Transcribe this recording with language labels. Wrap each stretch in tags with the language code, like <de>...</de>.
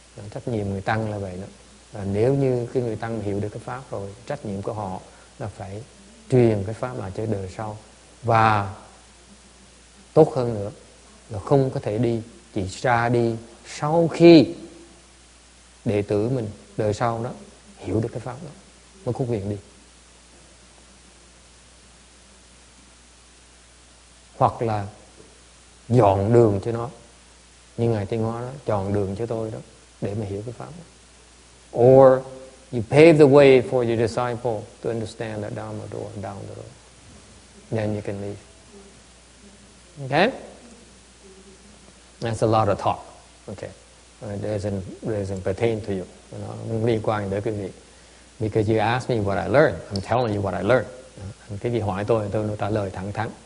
<vi>Trách nhiệm người tăng là vậy đó. Và nếu như cái người tăng hiểu được cái pháp rồi, trách nhiệm của họ là phải truyền cái pháp lại cho đời sau. Và tốt hơn nữa là không có thể đi, chỉ ra đi sau khi đệ tử mình đời sau đó hiểu được cái pháp đó mới khuất viện đi. Hoặc là dọn đường cho nó, như Ngài Tiên Hóa đó, chọn đường cho tôi đó để mà hiểu cái pháp.</vi> <en>Or you pave the way for your disciple to understand that Dharma door down the road. Then you can leave. Okay? That's a lot of talk. Okay. Doesn't pertain to you. You know,</en> <vi>không liên quan đến quý vị.</vi> <en>Because you ask me what I learned, I'm telling you what I learned.</en> <vi>Quý vị hỏi tôi nói trả lời thẳng thắn.</vi>